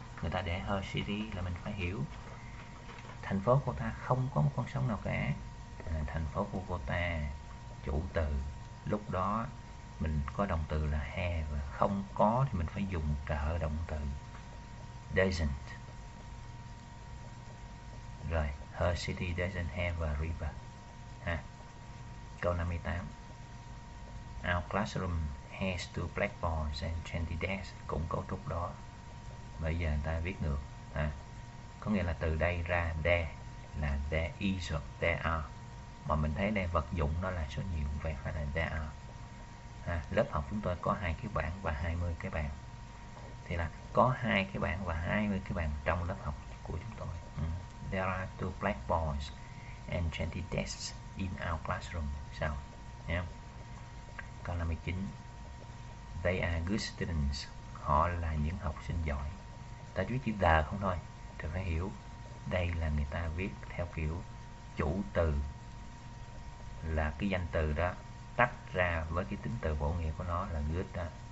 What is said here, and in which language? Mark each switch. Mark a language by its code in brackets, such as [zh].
[vi] Người ta để [en] her city [vi] là mình phải hiểu thành phố của ta không có một con sông nào cả. Thành phố của cô ta, chủ từ, lúc đó mình có động từ là have, không có thì mình phải dùng trợ động từ doesn't. [en] Rồi, her city doesn't have a river. [vi] Câu 58, [en] our classroom has two blackboards and 20 desks, [vi] cũng cấu trúc đó. Bây giờ người ta viết ngược, có nghĩa là từ đây ra there là [en] there is or there are. [vi] Mà mình thấy đây vật dụng nó là số nhiều, vậy phải là [en] there are. [vi] Lớp học chúng tôi có 2 cái bảng và 20 cái bàn. Thì là có 2 cái bảng và 20 cái bàn trong lớp học của chúng tôi. [en] There are two blackboards and 20 desks in our classroom. [vi] Sao? Câu 59, [en] they are good students, [vi] họ là những học sinh giỏi. Ta chú ý chữ the không thôi, thì phải hiểu đây là người ta viết theo kiểu chủ từ là cái danh từ đó tách ra với cái tính từ bổ nghĩa của nó là good đó.